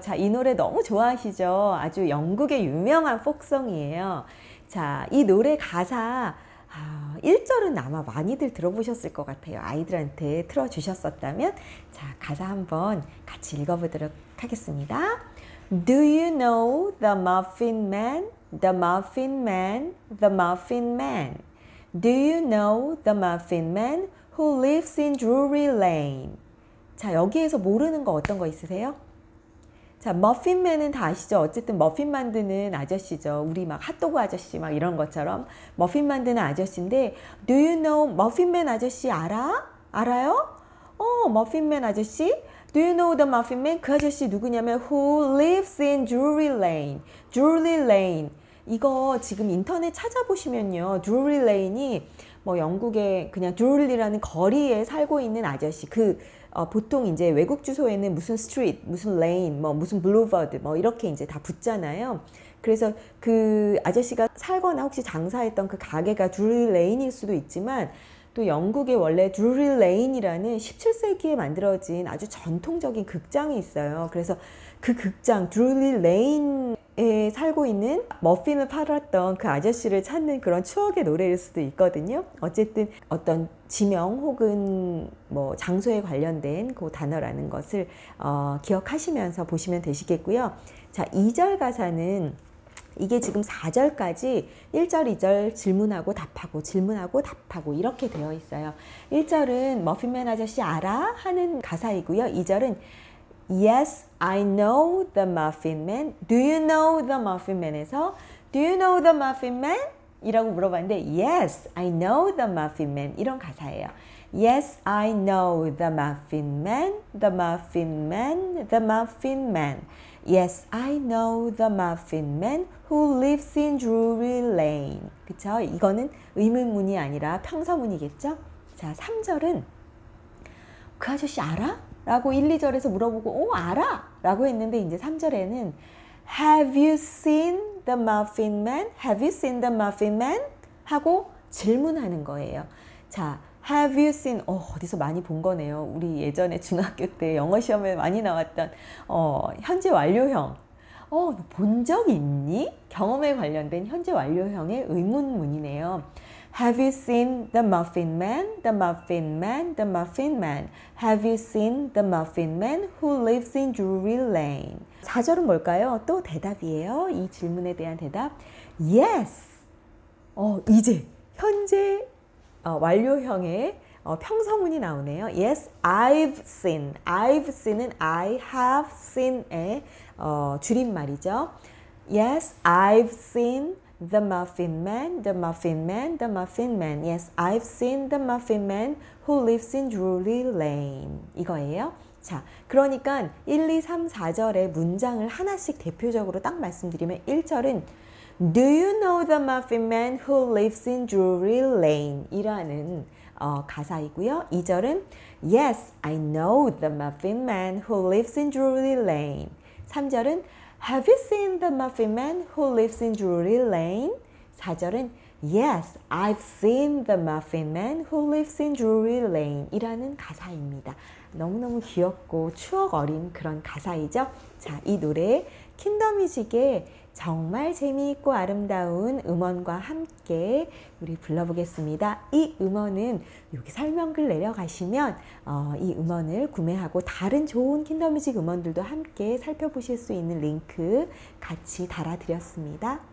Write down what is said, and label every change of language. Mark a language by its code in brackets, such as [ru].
[ko] 자, 이 노래 너무 좋아하시죠? 아주 영국의 유명한 폭송이에요. 자, 이 노래 가사 1절은 아마 많이들 들어보셨을 것 같아요. 아이들한테 틀어주셨었다면. 자, 가사 한번 같이 읽어보도록 하겠습니다. [en] Do you know the Muffin Man? The Muffin Man, the Muffin Man. Do you know the Muffin Man who lives in Drury Lane? [ko] 자, 여기에서 모르는 거 어떤 거 있으세요? 자, 머핀맨은 다 아시죠? 어쨌든 머핀 만드는 아저씨죠. 우리 막 핫도그 아저씨 막 이런 것처럼 머핀 만드는 아저씨인데 [en] Do you know [ko] 머핀맨 아저씨 알아? 알아요? 어, 머핀맨 아저씨? [en] Do you know the Muffin Man? [ko] 그 아저씨 누구냐면 [en] Who lives in Drury Lane? Drury Lane. [ko] 이거 지금 인터넷 찾아보시면요. Drury Lane이 뭐 영국의 그냥 Drury라는 거리에 살고 있는 아저씨. 그 보통 이제 외국 주소에는 무슨 street, 무슨 lane, 뭐 무슨 boulevard 뭐 이렇게 이제 다 붙잖아요. 그래서 그 아저씨가 살거나 혹시 장사했던 그 가게가 Drury Lane일 수도 있지만 또 영국의 원래 Drury Lane이라는 17세기에 만들어진 아주 전통적인 극장이 있어요. 그래서 그 극장 Drury Lane에 살고 있는 머핀을 팔았던 그 아저씨를 찾는 그런 추억의 노래일 수도 있거든요. 어쨌든 어떤 지명 혹은 뭐 장소에 관련된 그 단어라는 것을 기억하시면서 보시면 되시겠고요. 자, 2절 가사는 이게 지금 4절까지 1절, 2절 질문하고 답하고 질문하고 답하고 이렇게 되어 있어요. 1절은 머핀맨 아저씨 알아? 하는 가사이고요. 2절은 [en] Yes, I know the Muffin Man. Do you know the Muffin Man?에서 Do you know the Muffin Man? [ko] 이라고 물어봤는데 [en] Yes, I know the Muffin Man. [ko] 이런 가사예요. [en] Yes, I know the Muffin Man. The Muffin Man. The Muffin Man. Yes, I know the Muffin Man who lives in Drury Lane. [ko] 그쵸? 이거는 의문문이 아니라 평서문이겠죠? 자, 3절은 그 아저씨 알아? 라고 1, 2절에서 물어보고 오, 알아! 라고 했는데 이제 3절에는 [en] Have you seen the Muffin Man? Have you seen the Muffin Man? [ko] 하고 질문하는 거예요. 자, [en] Have you seen? [ko] 어디서 많이 본 거네요. 우리 예전에 중학교 때 영어 시험에 많이 나왔던 현재 완료형. 본 적 있니? 경험에 관련된 현재 완료형의 의문문이네요. [en] Have you seen the Muffin Man? The Muffin Man? The Muffin Man? Have you seen the Muffin Man who lives in Drury Lane? [ko] 4절은 뭘까요? 또 대답이에요. 이 질문에 대한 대답. Yes! 이제 현재 완료형의 평서문이 나오네요. [en] Yes, I've seen. I've seen은 I have seen의 [ko] 줄임말이죠. [en] Yes, I've seen the Muffin Man, the Muffin Man, the Muffin Man. Yes, I've seen the Muffin Man who lives in Drury Lane. [ko] 이거예요. 자, 그러니까 1, 2, 3, 4절의 문장을 하나씩 대표적으로 딱 말씀드리면 1절은 [en] Do you know the Muffin Man who lives in Drury Lane? [ko] 이라는 가사이고요. 2절은 [en] Yes, I know the Muffin Man who lives in Drury Lane. [ko] 3절은 [en] Have you seen the Muffin Man who lives in Drury Lane? [ko] 4절은 [en] Yes, I've seen the Muffin Man who lives in Drury Lane. [ko] 이라는 가사입니다. 너무너무 귀엽고 추억 어린 그런 가사이죠. 자, 이 노래 킨더뮤직의 정말 재미있고 아름다운 음원과 함께 우리 불러보겠습니다. 이 음원은 여기 설명글 내려가시면 이 음원을 구매하고 다른 좋은 킨더뮤직 음원들도 함께 살펴보실 수 있는 링크 같이 달아드렸습니다.